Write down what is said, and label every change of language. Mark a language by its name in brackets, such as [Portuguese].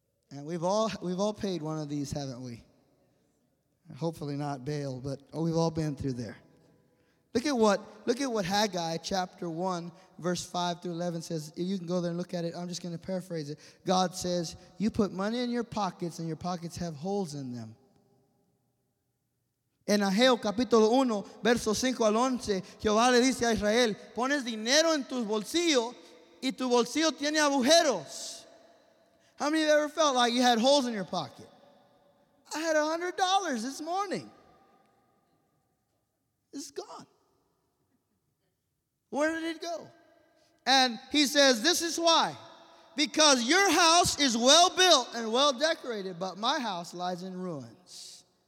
[English] And we've all paid one of these, haven't we? Hopefully not bail, but we've all been through there. Look at what Haggai chapter 1, verse 5 through 11 says. If you can go there and look at it, I'm just going to paraphrase it. God says, you put money in your pockets and your pockets have holes in them. [Spanish] En Ageo capítulo 1, verso 5 al 11, Jehová le dice a Israel, pones dinero en tus bolsillos y tu bolsillo tiene agujeros. [English] How many of you ever felt like you had holes in your pocket? I had $100 this morning. It's gone. Where did it go? And he says, this is why. Because your house is well built and well decorated, but my house lies in ruins.